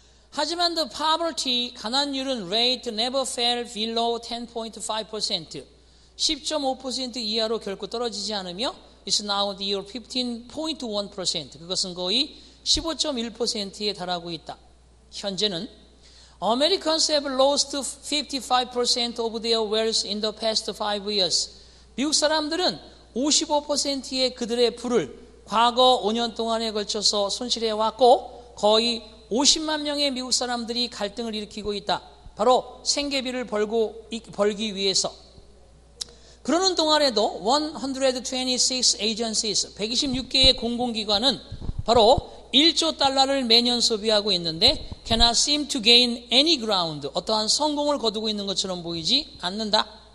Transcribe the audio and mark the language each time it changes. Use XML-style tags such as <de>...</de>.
<ko>하지만</ko> <en>the poverty</en> <ko>가난율은</ko> <en>rate never fell below 10.5%.</en> <ko>10.5% 이하로 결코 떨어지지 않으며</ko> <en>is now the year</en> <ko>15.1%. 그것은 거의 15.1%에 달하고 있다. 현재는</ko> <en>Americans have lost 55% of their wealth in the past 5 years.</en> <ko>미국 사람들은 55%의 그들의 부를 과거 5년 동안에 걸쳐서 손실해왔고 거의 50만 명의 미국 사람들이 갈등을 일으키고 있다. 바로 생계비를 벌기 위해서. 그러는 동안에도</ko> <en>126 agencies,</en> <ko>126개의 공공기관은 바로 1조 달러를 매년 소비하고 있는데</ko> <en>cannot seem to gain any ground,</en> <ko>어떠한 성공을 거두고 있는 것처럼 보이지 않는다.</ko>